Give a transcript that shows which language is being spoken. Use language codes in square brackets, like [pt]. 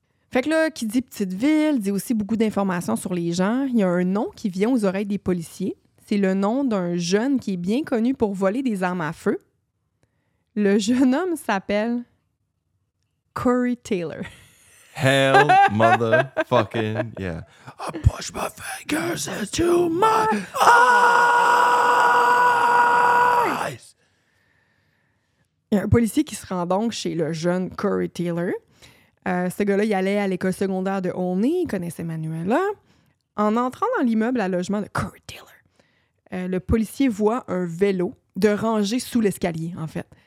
[fr] Fait que là, qui dit petite ville, dit aussi beaucoup d'informations sur les gens. Il y a un nom qui vient aux oreilles des policiers. C'est le nom d'un jeune qui est bien connu pour voler des armes à feu. Le jeune homme s'appelle Corey Taylor. [en] Hell motherfucking yeah. I push my fingers into my eyes. [fr] Il y a un policier qui se rend donc chez le jeune Corey Taylor. Ce gars-là, il allait à l'école secondaire de Olney, il connaissait Manuela. En entrant dans l'immeuble à logement de Corey Taylor, le policier voit un vélo de rangée sous l'escalier, en fait.